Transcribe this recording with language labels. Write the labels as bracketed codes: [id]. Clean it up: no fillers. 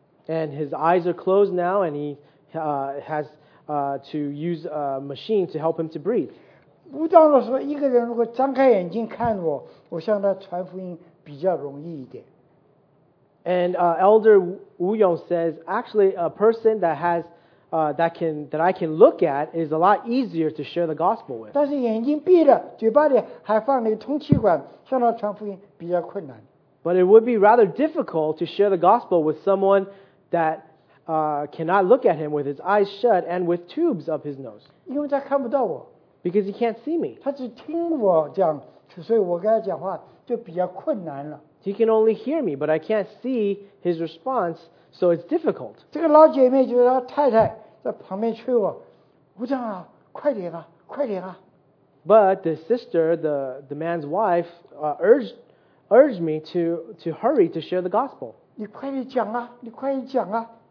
[en] And his eyes are closed now, and he has to use a machine to help him to breathe. [zh] 吴长老说，一个人如果张开眼睛看我，我向他传福音比较容易一点。 [en] And Elder Wu Yong says, actually, a person that has that I can look at is a lot easier to share the gospel with. [zh] 但是眼睛闭着，嘴巴里还放那个通气管，向他传福音比较困难。 [en] But it would be rather difficult to share the gospel with someone that cannot look at him with his eyes shut and with tubes up his nose. [zh] 因为他看不到我。 [en] Because he can't see me. [zh] 他只听我讲，所以我跟他讲话就比较困难了。 [en] He can only hear me, but I can't see his response, so it's difficult. [zh] 这个老姐妹就是她太太在旁边催我，吴长老，快点啊，快点啊。 [en] But the sister, the man's wife, urged me to hurry to share the gospel. [zh] 你快点讲啊，你快点讲啊。